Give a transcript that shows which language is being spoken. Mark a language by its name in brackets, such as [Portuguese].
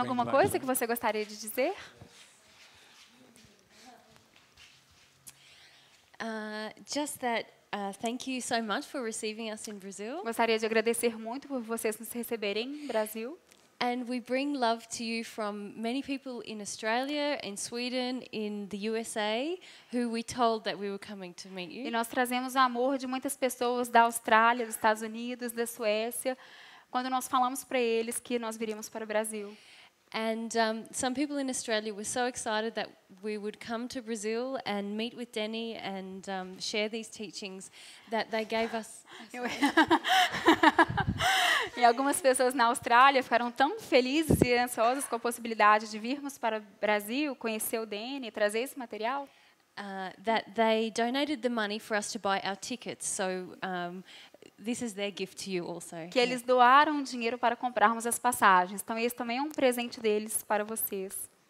[Portuguese] alguma coisa back. Que você gostaria de dizer? [English] Just that thank you so much for receiving us in Brazil. [Portuguese] Gostaria de agradecer muito por vocês nos receberem no Brasil. [English] And we bring love to you from many people in Australia, in Sweden, in the USA, who we told that we were coming to meet you. [Portuguese] E nós trazemos o amor de muitas pessoas da Austrália, dos Estados Unidos, da Suécia, quando nós falamos para eles que nós viríamos para o Brasil. [English] And some people in Australia were so excited that we would come to Brazil and meet with Denny and share these teachings that they gave us. [Portuguese] E algumas pessoas na Austrália ficaram tão felizes e ansiosas com a possibilidade de virmos para o Brasil, conhecer o Denny, trazer esse material. [English] That they donated the money for us to buy our tickets. So this is their gift to you also. [Portuguese] Que eles doaram dinheiro para comprarmos as passagens. Então esse também é um presente deles para vocês.